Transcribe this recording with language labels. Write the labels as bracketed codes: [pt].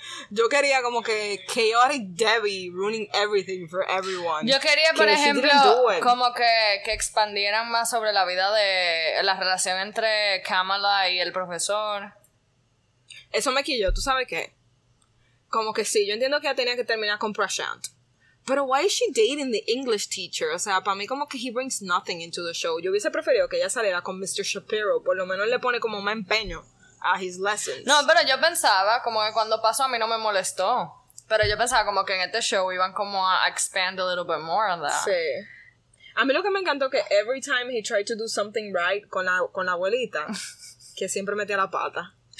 [es] Yo quería como que [en] chaotic Debbie ruining everything for everyone. [es] Yo quería, por ejemplo, como que expandieran más sobre la vida de la relación entre Kamala y el profesor. Eso me quilló, ¿tú sabes qué? Como que sí, yo entiendo que ella tenía que terminar con Prashant. Pero [en] why is she dating the English teacher? [es] O sea, para mí como que [en] he brings nothing into the show. [es] Yo hubiese preferido que ella saliera con Mr. Shapiro. Por lo menos le pone como más empeño a [en] his lessons. [es] No, pero yo pensaba como que cuando pasó a mí no me molestó. Pero yo pensaba como que en este show iban como a [en] expand a little bit more on that. [es] Sí. A mí lo que me encantó que [en] every time he tried to do something right [es] con la abuelita, que siempre metía la pata.